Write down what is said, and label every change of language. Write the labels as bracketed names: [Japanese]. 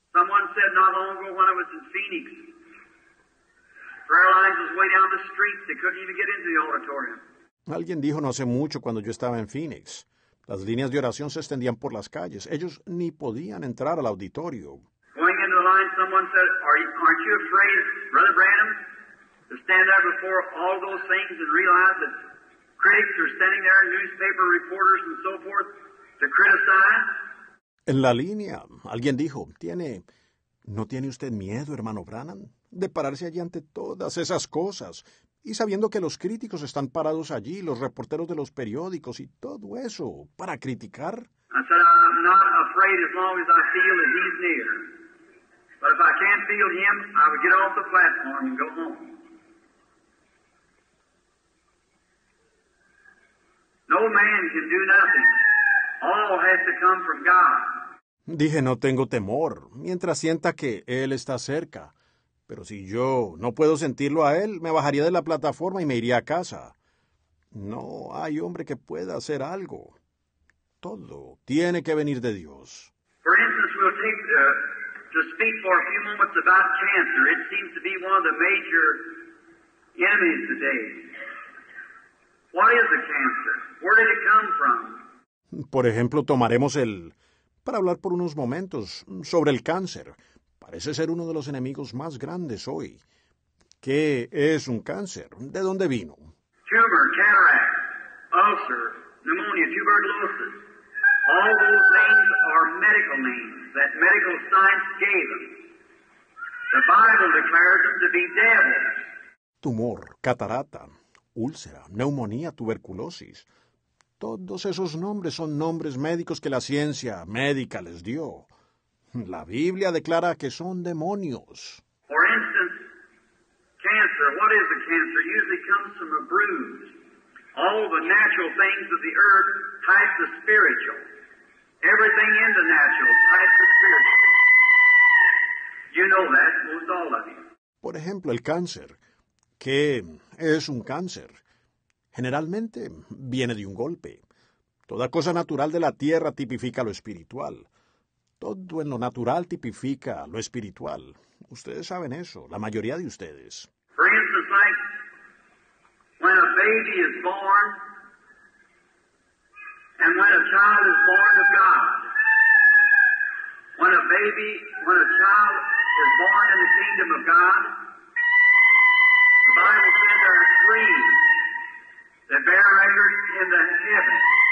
[English] Someone said not long ago when I was in Phoenix, prayer lines was way down the street. They couldn't even get into the auditorium. [Spanish] Alguien dijo no hace mucho cuando yo estaba en Phoenix. Las líneas de oración se extendían por las calles. Ellos ni podían entrar al auditorio. [English] Going into the line, someone said, aren't you afraid, Brother Branham, to stand there before all those things and realize that critics are standing there, newspaper reporters and so forth, to criticize? [Spanish] En la línea, alguien dijo, ¿no tiene usted miedo, hermano Branham, de pararse allí ante todas esas cosas? Y sabiendo que los críticos están parados allí, los reporteros de los periódicos y todo eso, ¿para criticar? [English] I said, I'm not afraid as long as I feel that he's near. But if I can't feel him, I would get off the platform and go home. No man can do nothing. All has to come from God. [Spanish] Dije, no tengo temor, mientras sienta que él está cerca. Pero si yo no puedo sentirlo a él, me bajaría de la plataforma y me iría a casa. No hay hombre que pueda hacer algo. Todo tiene que venir de Dios. [English] For instance, we'll take to speak for a few moments about cancer. It seems to be one of the major enemies today. What is a cancer? Where did it come from? [Spanish] Por ejemplo, tomaremos el... para hablar por unos momentos sobre el cáncer. Parece ser uno de los enemigos más grandes hoy. ¿Qué es un cáncer? ¿De dónde vino? [English] Tumor, cataract, ulcer, pneumonia, tuberculosis. All those things are medical names that medical science gave them. The Bible declares them to be devils. [Spanish] Tumor, catarata, úlcera, neumonía, tuberculosis. Todos esos nombres son nombres médicos que la ciencia médica les dio. La Biblia declara que son demonios. [English] For instance, cancer, what is a cancer? Usually comes from a bruise. All the natural things of the earth type the spiritual. Everything in the natural type the spiritual. You know that, most all of you. [Spanish] Por ejemplo, el cáncer. ¿Qué es un cáncer? Generalmente viene de un golpe. Toda cosa natural de la tierra tipifica lo espiritual. Todo en lo natural tipifica lo espiritual. Ustedes saben eso, la mayoría de ustedes. [English] For instance, like when a baby is born and when a child is born of God. When a child is born in the kingdom of God, the Bible says there are three that bear record in the heavens.